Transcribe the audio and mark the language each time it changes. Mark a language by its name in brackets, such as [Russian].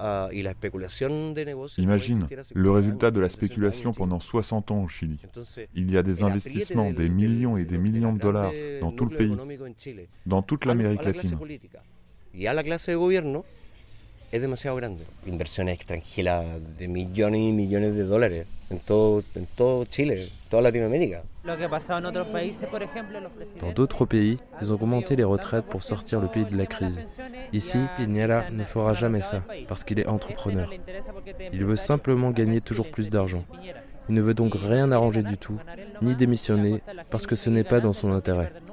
[French] Imagine le résultat de la spéculation pendant 60 ans au Chili. Il y a des investissements, des millions et des millions de dollars dans tout le pays, dans toute l'Amérique latine. Et à la classe de gouvernement, [Spanish] es demasiado grande. Inversiones extranjeras de millones y millones de dólares en todo Chile, toda Latinoamérica. Lo que ha pasado en otros países, por ejemplo, los presidentes. [French] Dans d'autres pays, ils ont augmenté les retraites pour sortir le pays de la crise. Ici, Piñera ne fera jamais ça parce qu'il est entrepreneur. Il veut simplement gagner toujours plus d'argent. Il ne veut donc rien arranger du tout, ni démissionner parce que ce n'est pas dans son intérêt.